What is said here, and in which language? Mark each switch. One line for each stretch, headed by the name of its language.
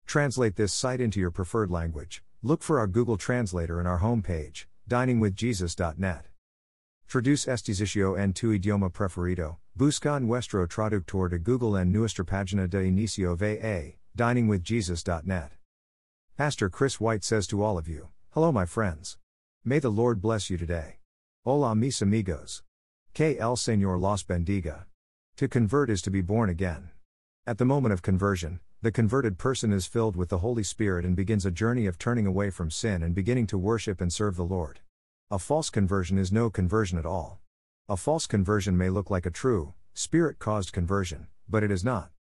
English: Translate this site into your preferred language. Look for our Google Translator in our homepage, diningwithjesus.net.
Spanish: Traduce este sitio en tu idioma preferido. Busca nuestro traductor de Google en nuestra página de inicio VA, diningwithjesus.net.
English: Pastor Chris White says to all of you, hello my friends. May the Lord bless you today.
Spanish: Hola mis amigos. Que el Señor los bendiga.
English: To convert is to be born again. At the moment of conversion, the converted person is filled with the Holy Spirit and begins a journey of turning away from sin and beginning to worship and serve the Lord. A false conversion is no conversion at all. A false conversion may look like a true, Spirit-caused conversion, but it is not.